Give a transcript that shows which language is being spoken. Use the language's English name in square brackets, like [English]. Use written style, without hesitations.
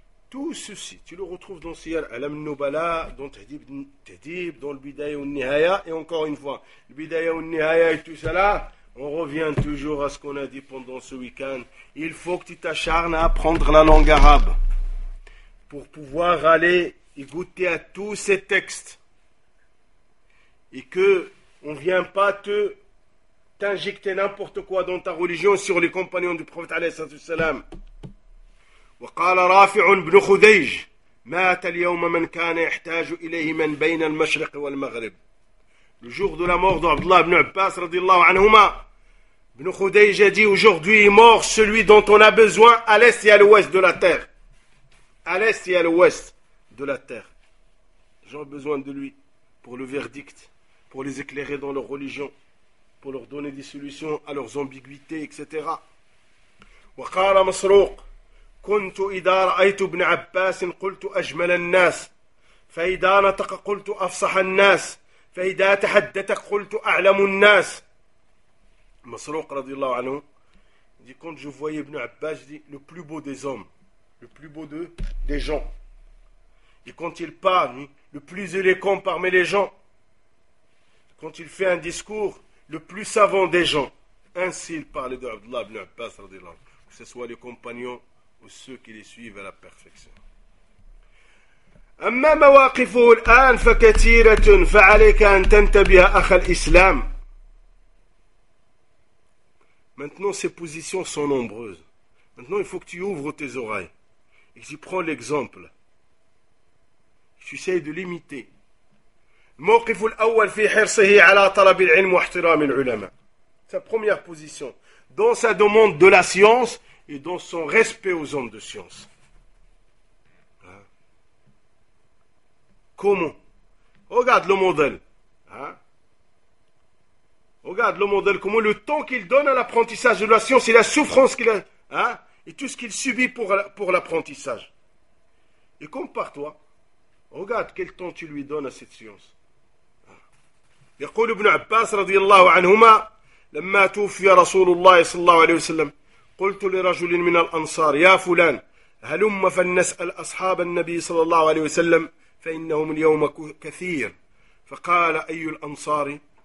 [French] tout ceci tu le retrouves dans Siyar Alam Nubala dans Tahdib dans le Bidaya ou Nihaya et encore une fois le Bidaya ou Nihaya et tout cela on revient toujours à ce qu'on a dit pendant ce week-end il faut que tu t'acharnes à apprendre la langue arabe pour pouvoir aller et goûter à tous ces textes et que on vient pas te t'injecter n'importe quoi dans ta religion sur les compagnons du prophète [Arabic] alayhi salam. وقال رافع بن خديج مات اليوم من كان يحتاج إليه من بين المشرق والمغرب. [French] Le jour de la mort d'Abd Allah ibn Abbas [Arabic] رضي الله عنهما, [French] ابن خديج a dit aujourd'hui est mort celui dont on a besoin à l'est et à l'ouest de la terre. À l'est et à l'ouest de la terre. J'ai besoin de lui pour le verdict, pour les éclairer dans leur religion, pour leur donner des solutions à leurs ambiguïtés, etc. [Arabic] وقال مسروق كنت إذا رأيت ابن عباس قلت أجمل الناس فإذا نطق قلت أفصح الناس فإذا تحدث قلت أعلم الناس [French] مسروق [Arabic] رضي الله عنه [French] dit quand je voyais ابن عباس dit le plus beau des hommes le plus beau des gens et quand il parle le plus éloquent parmi les gens quand il fait un discours le plus savant des gens ainsi il parlait de Abdullah ibn Abbas [Arabic] رضي الله عنه [French] que ce soit les compagnons ou ceux qui les suivent à la perfection. [Arabic] أما مواقفه الآن فكثيرة فعليك أن تنتبه أخ الإسلام. [French] Maintenant ses positions sont nombreuses. Maintenant il faut que tu ouvres tes oreilles et tu prends l'exemple. Tu essayes de l'imiter. [Arabic] موقفه الأول في حرصه على طلب العلم واحترام العلماء. [French] Sa première position dans sa demande de la science et dans son respect aux hommes de science. Hein? Comment? Regarde le modèle. Hein? Regarde le modèle, comment le temps qu'il donne à l'apprentissage de la science, et la souffrance qu'il a, hein? Et tout ce qu'il subit pour l'apprentissage. Et compare-toi. Regarde quel temps tu lui donnes à cette science. [Arabic] Yaqul ibn Abbas, radiyallahu anhuma, lamma tufiya Rasulullah, sallallahu alayhi wa sallam, قلت لرجل من الأنصار يا فلان هلم فلنسأل أصحاب النبي صلى الله عليه وسلم فإنهم اليوم كثير فقال أي الأنصار